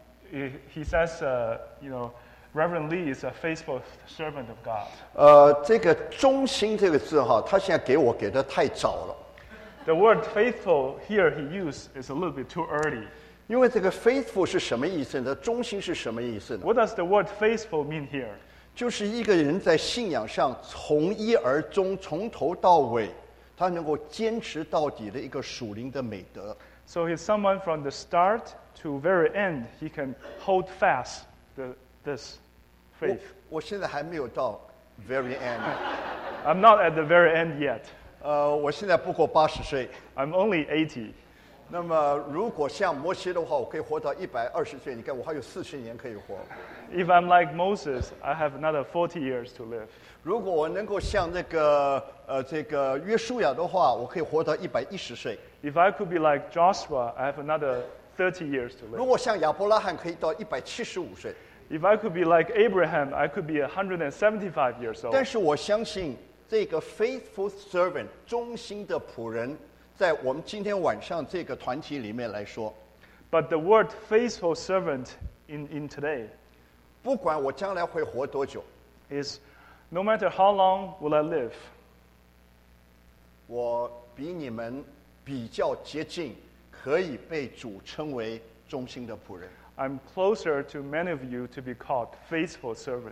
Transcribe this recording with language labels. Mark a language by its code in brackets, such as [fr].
[en] He says, you know, Reverend Lee is a faithful servant of God. [zh] 这个忠心这个字哈, 他现在给我给的太早了。 [en] The word faithful here he used is a little bit too early. [zh] 因为这个faithful是什么意思呢?忠心是什么意思呢? [en] What does the word faithful mean here? [zh] 就是一个人在信仰上从一而终, 从头到尾, [en] So he's someone from the start to very end, he can hold fast this faith. [zh] 我现在还没有到 [en] very end. I'm not at the very end yet. [zh] 我现在不过80岁。 [en] I'm only 80. [zh] 那么如果像摩西的话，我可以活到120岁。你看，我还有40年可以活。 [en] If I'm like Moses, I have another 40 years to live. [zh] 如果我能够像这个约书亚的话，我可以活到110岁。 [en] If I could be like Joshua, I have another 30 years to live. [zh] 如果像亚伯拉罕，可以到175岁。 [en] If I could be like Abraham, I could be 175 years old. [zh] 但是我相信这个 [en] faithful servant, [zh] 忠心的仆人。在我们今天晚上这个团体里面来说, [en] but the word faithful servant in today, [zh] 不管我将来会活多久, [en] is no matter how long will I live, [zh] 我比你们比较接近, 可以被主称为忠心的仆人。 [en] I'm closer to many of you to be called faithful servant.